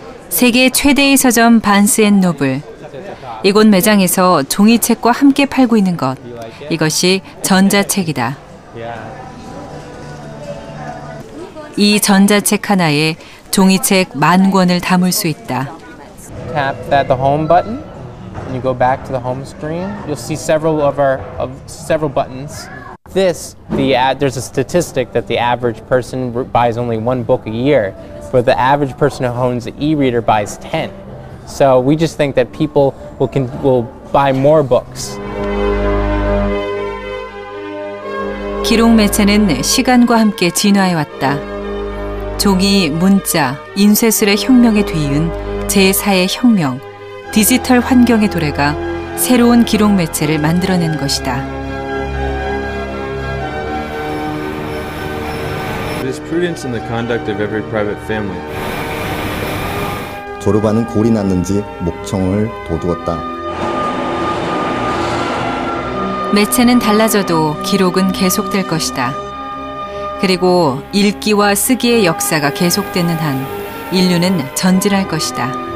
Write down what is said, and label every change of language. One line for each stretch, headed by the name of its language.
Korean: 세계 최대의 서점 반스앤노블. 이곳 매장에서 종이책과 함께 팔고 있는 것. 이것이 전자책이다.
English: Yeah.
Korean: 이 전자책 하나에 종이책 만 권을 담을 수 있다.
English: Tap that the home button and you go back to the home screen. You'll see several buttons. This the there's a statistic that the average person buys only one book a year, but the average person who owns an e-reader buys 10. So we just think that people will buy more books.
Korean: 기록 매체는 시간과 함께 진화해 왔다. 종이, 문자, 인쇄술의 혁명에 뒤이은 제4의 혁명, 디지털 환경의 도래가 새로운 기록 매체를 만들어낸 것이다.
English: It is prudence in the conduct of every private family.
Korean: 조르바는 골이 났는지 목청을 도두었다. 매체는 달라져도 기록은 계속될 것이다. 그리고 읽기와 쓰기의 역사가 계속되는 한 인류는 전진할 것이다.